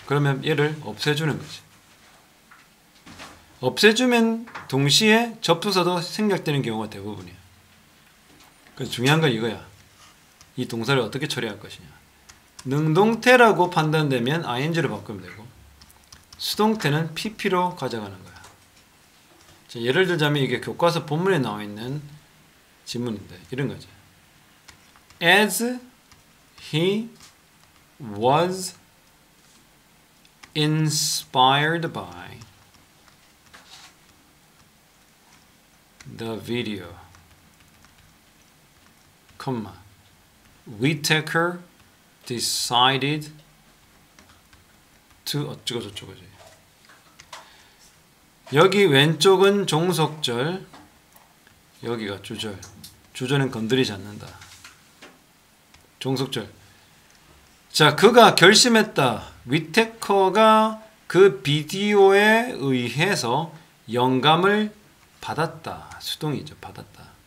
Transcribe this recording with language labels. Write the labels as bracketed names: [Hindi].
[Korean] 그러면 얘를 없애주는 거지. 없애주면 동시에 접속사도 생략되는 경우가 대부분이야. 그래서 중요한 건 이거야. 이 동사를 어떻게 처리할 것이냐. 능동태라고 판단되면 ing로 바꾸면 되고 수동태는 pp로 가져가는 거야. 자, 예를 들자면 이게 교과서 본문에 나와 있는 질문인데 이런 거지. [English] As he was inspired by the video, comma, Whittaker decided to [Korean] 어쩌고 저쩌고지. 여기 왼쪽은 종속절, 여기가 주절. 주절은 건드리지 않는다. 종속절. 자, 그가 결심했다. 위테커가 그 비디오에 의해서 영감을 받았다. 수동이죠. 받았다.